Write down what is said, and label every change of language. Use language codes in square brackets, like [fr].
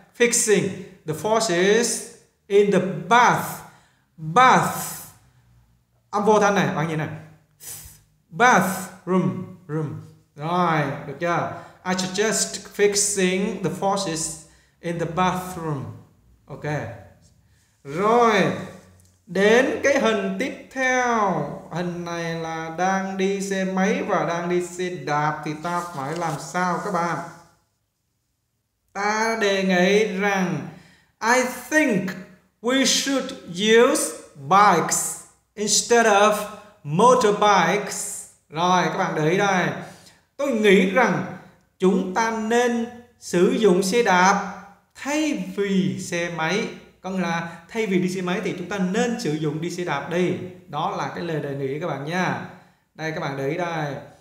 [en] Fixing the faucets in the bath bath [vi] âm vô thanh này bạn nhìn này. [en] Bath room room [vi] rồi được chưa? [en] I suggest fixing the faucets in the bathroom. [vi] Ok, rồi đến cái hình tiếp theo. Hình này là đang đi xe máy và đang đi xe đạp thì ta phải làm sao các bạn? Ta đề nghị rằng [en] I think we should use bikes instead of motorbikes. [vi] Rồi các bạn để ý đây. Tôi nghĩ rằng chúng ta nên sử dụng xe đạp thay vì xe máy. Có nghĩa là thay vì đi xe máy thì chúng ta nên sử dụng đi xe đạp đi. Đó là cái lời đề nghị các bạn nha. Đây các bạn để ý đây.